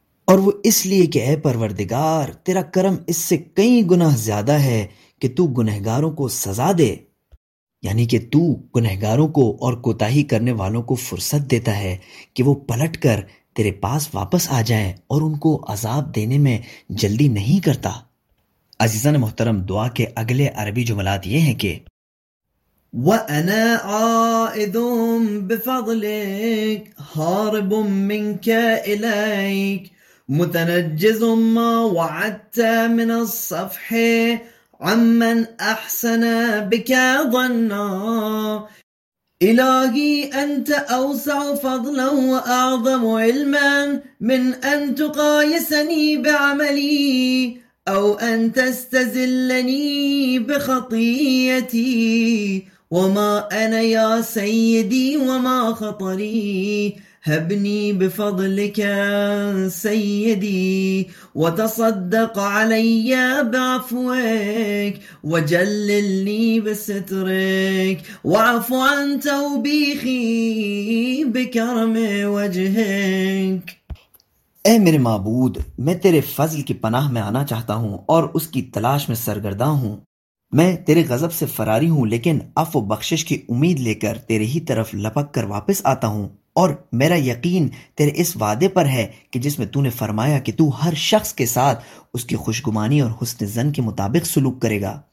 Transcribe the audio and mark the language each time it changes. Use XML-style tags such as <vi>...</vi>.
<ur>اور وہ اس لیے کہ اے پروردگار تیرا کرم اس سے کئی گناہ زیادہ ہے کہ تو گنہگاروں کو سزا دے، یعنی کہ تو گنہگاروں کو اور کوتاہی کرنے والوں کو فرصت دیتا ہے کہ وہ پلٹ کر تیرے پاس واپس آ جائیں اور ان کو عذاب دینے میں جلدی نہیں کرتا۔ عزیزان محترم، دعا کے اگلے عربی جملات یہ ہیں کہ</ur> <ar>وَأَنَا عَائِدٌ بِفَضْلِكَ هَارِبٌ مِنْكَ إِلَيْكَ مُتَنَجِّزٌ مَا وَعَدْتَ مِنَ الصَّفْحِ عَمَّنْ أَحْسَنَ بِكَ ظَنَّا إلهي أنت أوسع فضلا وأعظم علما من أن تقايسني بعملي أو أن تستزلني بخطيئتي وما أنا يا سيدي وما خطري هبني بفضلك سيدي وتصدق علي بعفوك وجللني بسترك واعف عن توبيخي بكرم وجهك۔</ar> <ur>اے میرے معبود، میں تیرے فضل کی پناہ میں آنا چاہتا ہوں اور اس کی تلاش میں سرگرداں ہوں، میں تیرے غضب سے فراری ہوں لیکن عفو بخشش کی امید لے کر تیرے ہی طرف لپک کر واپس آتا ہوں، اور میرا یقین تیرے اس وعدے پر ہے کہ جس میں تو نے فرمایا کہ تو ہر شخص کے ساتھ اس کی خوشگمانی اور حسن ظن کے مطابق سلوک کرے گا،</ur>